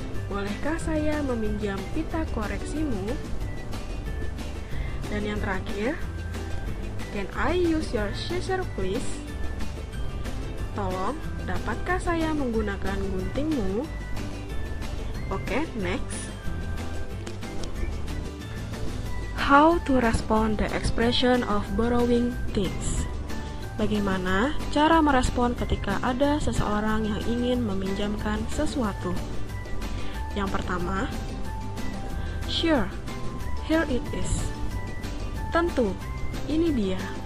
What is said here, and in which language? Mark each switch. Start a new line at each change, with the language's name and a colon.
Indonesian: Bolehkah saya meminjam pita koreksimu? Dan yang terakhir,
English: can I use your scissor please?
Indonesian: Tolong, dapatkah saya menggunakan guntingmu?
English: Oke, next. How to respond the expression of borrowing things?
Indonesian: Bagaimana cara merespon ketika ada seseorang yang ingin meminjamkan sesuatu? Yang pertama,
English: sure, here it is.
Indonesian: Tentu, ini dia.